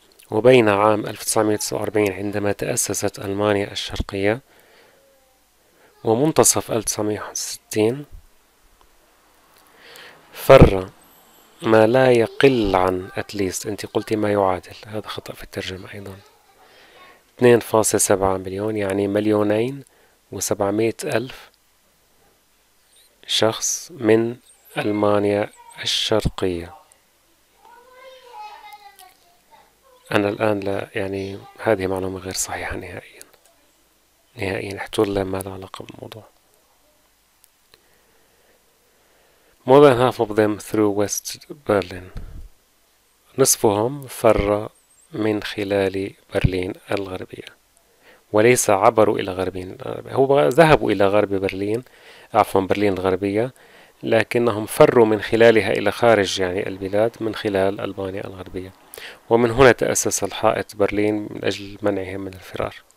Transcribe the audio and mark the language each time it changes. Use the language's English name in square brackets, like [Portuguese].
[Arabic] وبين عام 1949 عندما تأسست ألمانيا الشرقية ومنتصف 1960، فر ما لا يقل عن أتليست، أنت قلتي ما يعادل، هذا خطأ في الترجمة أيضا، 2.7 مليون، يعني 2,700,000 شخص من ألمانيا الشرقية. أنا الآن لا، يعني هذه معلومة غير صحيحة نهائيا نهائيا، احتل ما له علاقة بالموضوع. [English] More than half of them through West Berlin. [Arabic] نصفهم فر من خلال برلين الغربية، وليس عبروا إلى غربين الغربية، هو ذهبوا إلى غرب برلين، عفوا برلين الغربية، لكنهم فروا من خلالها إلى خارج يعني البلاد من خلال ألبانيا الغربية، ومن هنا تأسس الحائط برلين من أجل منعهم من الفرار.